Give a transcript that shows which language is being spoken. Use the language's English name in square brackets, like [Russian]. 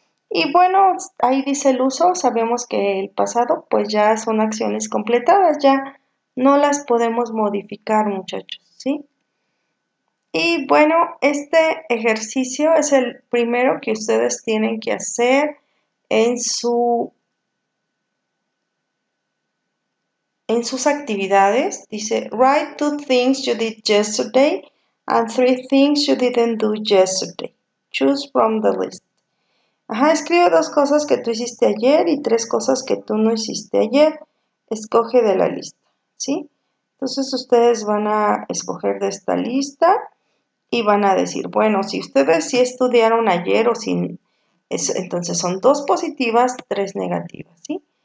[Spanish] Y bueno, ahí dice el uso, sabemos que el pasado pues ya son acciones completadas, ya no las podemos modificar, muchachos, ¿sí? Y bueno, este ejercicio es el primero que ustedes tienen que hacer en sus actividades. [English] Dice, write two things you did yesterday and three things you didn't do yesterday. Choose from the list. [Spanish] Ajá, escribe dos cosas que tú hiciste ayer y tres cosas que tú no hiciste ayer. Escoge de la lista, ¿sí? Entonces ustedes van a escoger de esta lista. Y van a decir, bueno, si ustedes sí estudiaron ayer o sin, entonces son dos positivas, tres negativas, ¿sí?